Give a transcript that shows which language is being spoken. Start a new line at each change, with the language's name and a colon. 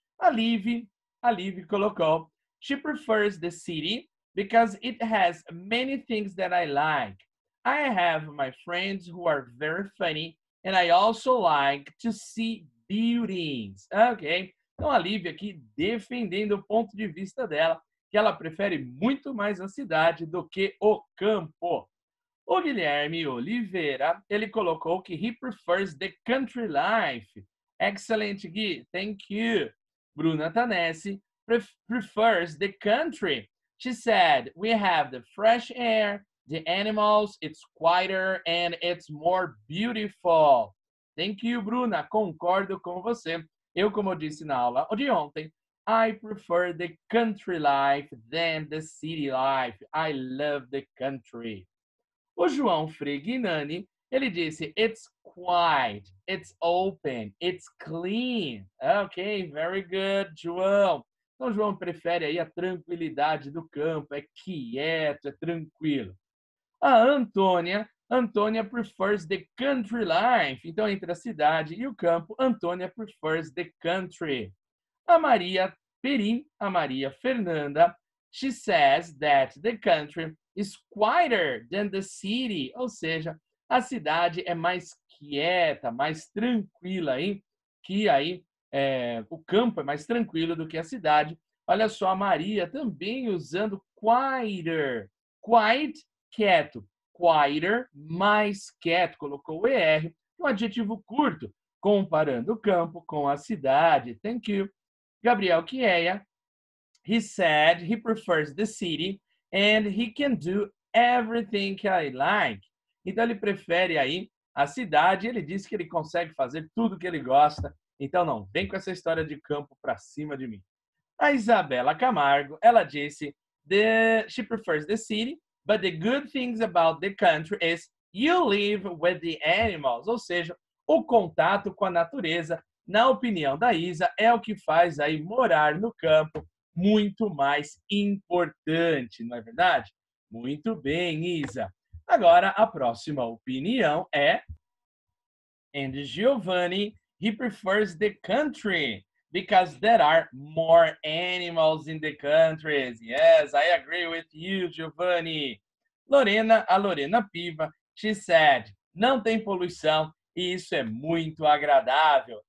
Portuguese: A Liv colocou...
English: She prefers the city because it has many things that I like. I have my friends who are very funny and I also like to see buildings.
Portuguese: Ok, então a Lívia aqui defendendo o ponto de vista dela, que ela prefere muito mais a cidade do que o campo.
English: O Guilherme Oliveira,
Portuguese: ele colocou que
English: he prefers the country life. Excellent, Gui. Thank you. Bruna Tanessi. Prefers the country. She said, we have the fresh air, the animals, it's quieter and it's more beautiful. Thank you, Bruna.
Portuguese: Concordo com você. Eu, como eu disse na aula de ontem,
English: I prefer the country life than the city life. I love the country. O João Freguinani,
Portuguese: ele disse,
English: it's quiet, it's open, it's clean. Okay, very good, João.
Portuguese: Então, João prefere aí a tranquilidade do campo, é quieto, é tranquilo.
English: A Antônia prefers the country life.
Portuguese: Então, entre a cidade e o campo, Antônia
English: prefers the country. A Maria Perim, a Maria Fernanda, she says that the country is quieter than the city.
Portuguese: Ou seja, a cidade é mais quieta, mais tranquila aí que aí. O campo é mais tranquilo do que a cidade. Olha só, a Maria também usando quieter. Quiet, quieto. Quieter, mais quieto. Colocou o ER, um adjetivo curto, comparando o campo com a cidade.
English: Thank you. Gabriel Kieia, he said he prefers the city and he can do everything I like.
Portuguese: Então, ele prefere aí a cidade. Ele disse que ele consegue fazer tudo que ele gosta. Então, não, vem com essa história de campo pra cima de mim.
English: A Isabela Camargo,
Portuguese: ela disse,
English: she prefers the city, but the good things about the country is you live with the animals.
Portuguese: Ou seja, o contato com a natureza, na opinião da Isa, é o que faz aí morar no campo muito mais importante, não é verdade? Muito bem, Isa. Agora, a próxima opinião é...
English: And Giovanni... He prefers the country because there are more animals in the country. Yes, I agree with you, Giovanni.
Portuguese: A Lorena Piva,
English: she said,
Portuguese: não tem poluição e isso é muito agradável.